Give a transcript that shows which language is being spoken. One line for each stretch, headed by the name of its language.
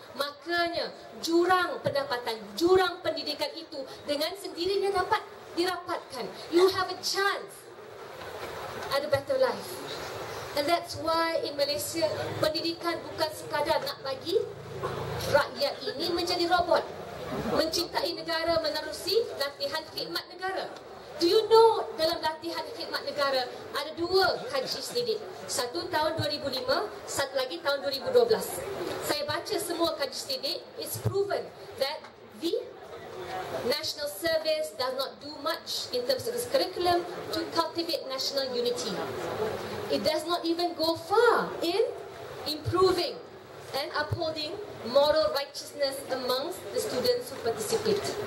Malay: Makanya jurang pendapatan, jurang pendidikan itu dengan sendirinya dapat dirapatkan.
English: You have a chance at a better life. And that's why in Malaysia,
Malay: pendidikan bukan sekadar nak bagi rakyat ini menjadi robot. Mencintai negara menerusi latihan khidmat negara.
English: Do you know
Malay: dalam latihan khidmat negara ada dua kaji sedidik? Satu tahun 2005, satu lagi tahun 2012. Saya baca semua kaji sedidik.
English: It's proven that the national service does not do much in terms of its curriculum to cultivate national unity. It does not even go far in improving and upholding moral righteousness amongst the students who participate.